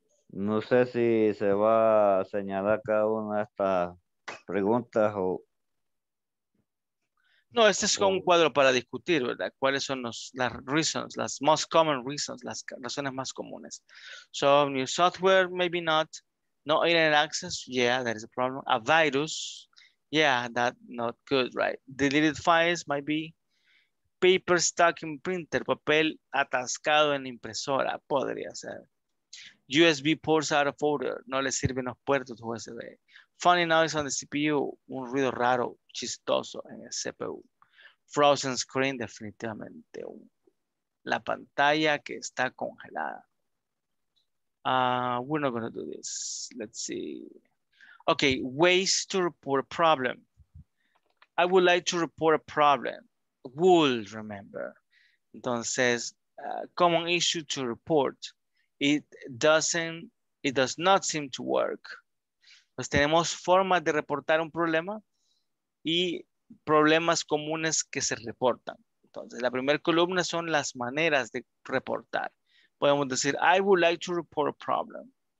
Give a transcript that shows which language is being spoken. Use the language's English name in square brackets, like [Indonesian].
[Spanish] No sé si se va a señalar cada una de estas preguntas o... No, este es un cuadro para discutir, ¿verdad? ¿Cuáles son las reasons, las most common reasons, las razones más comunes? [English] So, new software, maybe not. No internet access, yeah, that is a problem. A virus... Yeah, that's not good, right? Deleted files might be paper stuck in printer, [Spanish] papel atascado en impresora, podría ser. USB [English] ports out of order, [Spanish] no le sirven los puertos USB. [English] Funny noise on the CPU, [Spanish] un ruido raro, chistoso en el CPU. [English] Frozen screen, [Spanish] definitivamente. La pantalla que está congelada. [English] We're not gonna do this. Let's see. Okay, ways to report a problem. I would like to report a problem. Would, remember. Entonces, common issue to report. It does not seem to work. [Spanish] Pues tenemos formas de reportar un problema y problemas comunes que se reportan. Entonces, la primera columna son las maneras de reportar. Podemos decir, [English] I would like to report a problem.